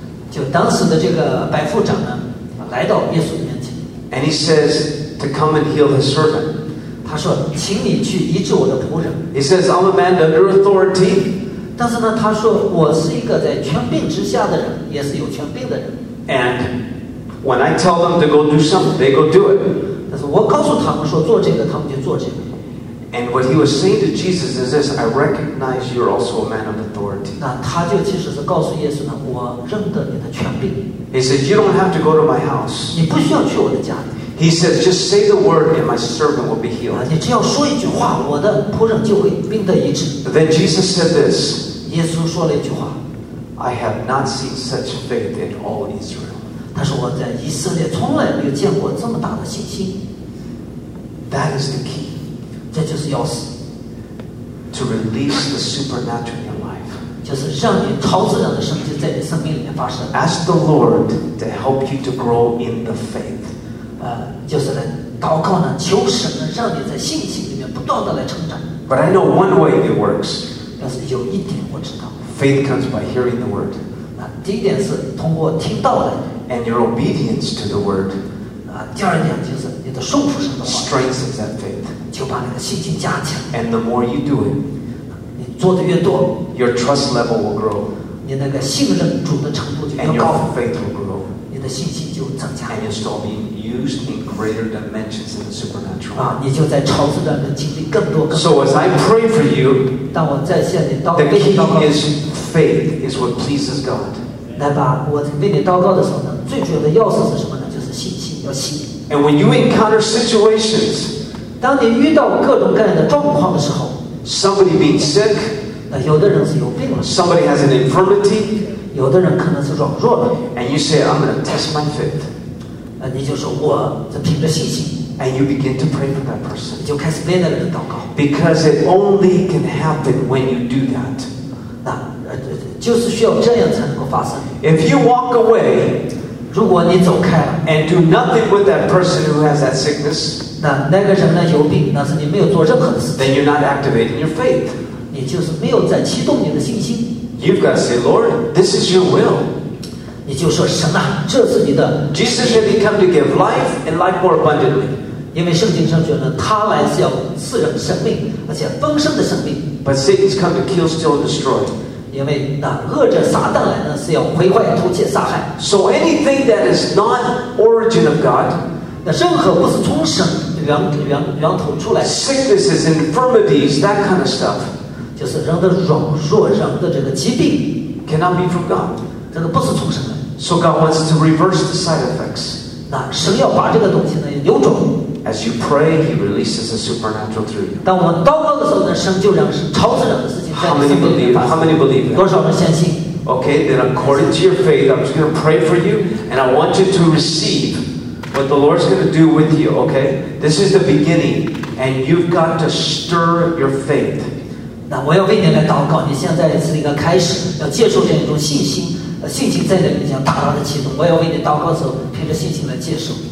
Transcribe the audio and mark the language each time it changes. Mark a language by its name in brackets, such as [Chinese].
[Chinese] 就当时的这个百夫长呢。 [English] And he says to come and heal his servant. [Chinese] 他说，请你去医治我的仆人。 [English] He says I'm a man under authority. [Chinese] 但是呢，他说我是一个在权柄之下的人，也是有权柄的人。 [English] And when I tell them to go do something, they go do it. [Chinese] 但是我告诉他们说做这个，他们就做这个。 [English] And what he was saying to Jesus is this: I recognize you're also a man of authority. [Chinese] 那他就其实是告诉耶稣呢，我认得你的权柄。 [English] He says, "You don't have to go to my house." [Chinese] 你不需要去我的家。 [English] He says, "Just say the word, and my servant will be healed." [Chinese] 你只要说一句话，我的仆人就会病得医治。 [English] Then Jesus said this. [Chinese] 耶稣说了一句话。 [English] I have not seen such faith in all Israel. [Chinese] 他说我在以色列从来没有见过这么大的信心。 [English] That is the key. [Chinese] 这就是钥匙。 [English] To release the supernatural. [Chinese] 就是让你超自然的生机在你生命里面发生。 [English] Ask the Lord to help you to grow in the faith。 [Chinese] 就是来祷告呢，求神呢，让你在信心里面不断的来成长。 [English] But I know one way it works。 [Chinese] 但是有一点我知道。 [English] Faith comes by hearing the word. [Chinese] 那第一点是通过听到的。 [English] And your obedience to the word. [Chinese] 那第二点就是你的顺服神的话。 [English] Strengthens that faith. [Chinese] 就把你的信心加强。 [English] And the more you do it, [Chinese] 你做的越多 [English] ，your trust level will grow. [Chinese] 你那个信任主的程度就越高。 [English] And your faith will grow. [Chinese] 你的信心就增加。 [English] And you start being used in greater dimensions in the supernatural. [Chinese] 啊，你就在超自然的经历更多。 [English] So as I pray for you. [Chinese] 当我在向你祷告。 [English] The key is faith is what pleases God. [Chinese] 来吧，我为你祷告的时候呢，最主要的要素是什么呢？就是信心，要信。 [English] And when you encounter situations. [Chinese] 当你遇到各种各样的状况的时候。 [English] Somebody being sick. [Chinese] 那有的人是有病了。 [English] Somebody has an infirmity. [Chinese] 有的人可能是软弱的。 [English] And you say, I'm going to test my faith. [Chinese] 那你就说我这凭着信心。 [English] And you begin to pray for that person. [Chinese] 就开始为那个人祷告。 [English] Because it only can happen when you do that. [Chinese] 那就是需要这样才能够发生。 [English] If you walk away. [Chinese] 如果你走开了。 [English] And do nothing with that person who has that sickness. [Chinese] 那个人呢有病，那是你没有做任何的事。 [English] Then you're not activating your faith. [Chinese] 你就是没有在启动你的信心。 [English] You've got to say, Lord, this is your will. [Chinese] 你就说神啊，这是你的。 [English] Jesus said he came to give life and life more abundantly. [Chinese] 因为圣经上说呢，他来是要赐人生命，而且丰盛的生命。 [English] But Satan's come to kill, steal, and destroy. [Chinese] 因为那恶者撒旦来呢，是要毁坏、偷窃、杀害。 [English] So anything that is not origin of God. [Chinese] 那任何不是从神源头出来。 [English] Sicknesses, infirmities, that kind of stuff. [Chinese] 就是人的软弱，人的这个疾病。 [English] Cannot be from God. [Chinese] 这个不是从神来。 [English] So God wants to reverse the side effects. [Chinese] 那神要把这个东西呢扭转。 [English] As you pray, He releases the supernatural through you. [Chinese] 当我们祷告的时候呢，神就让超自然的事情在你身边发生。 [English] How many believe? [Chinese] 多少人相信 [English] ？Okay, then according to your faith, I'm just going to pray for you, and I want you to receive what the Lord's going to do with you. Okay, this is the beginning, and you've got to stir your faith. [Chinese] 那我要为你来祷告，你现在是一个开始，要接受这样一种信心，信心在你里面大大的启动。我要为你祷告的时候，凭着信心来接受。